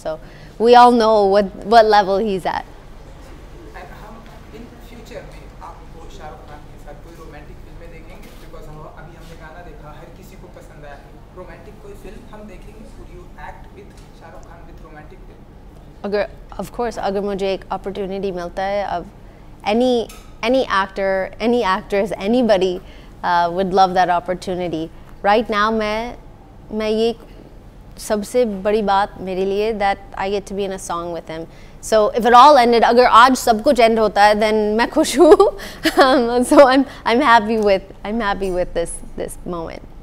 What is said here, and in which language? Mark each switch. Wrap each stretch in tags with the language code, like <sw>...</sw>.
<en>So we all know what level he is at.</en> <hi>In future में आप शाहरुख खान के साथ कोई रोमांटिक फिल्में देखेंगे? बिकॉज़ हम अभी हमने गाना देखा, हर किसी को पसंद आया. रोमांटिक कोई फिल्म हम देखेंगे?</hi> <en>Would you act with Shahrukh Khan with romantic film? अगर Of course,</en> <hi>अगर मुझे एक opportunity मिलता है,</hi> <en>of any actor, any actress, anybody would love that opportunity. Right now,</en> <hi>मैं ये सबसे बड़ी बात मेरे लिए</hi> <en>that I get to be in a song with him. So if it all ended,</en> <hi>अगर आज सब कुछ end होता है,</hi> <en>then मैं खुश हूँ. So I'm happy with this moment.</en>